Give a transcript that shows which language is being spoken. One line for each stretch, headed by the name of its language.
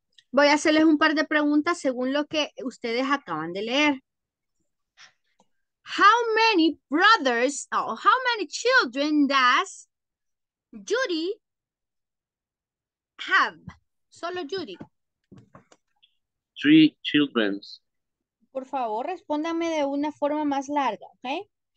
Spanish: Voy a hacerles un par de preguntas según lo que ustedes acaban de leer.
English: How many brothers, oh, how many children does Judy have?
Spanish: Solo Judy.
English: Three children.
Spanish: Por favor, respóndame de una forma más larga, ¿ok?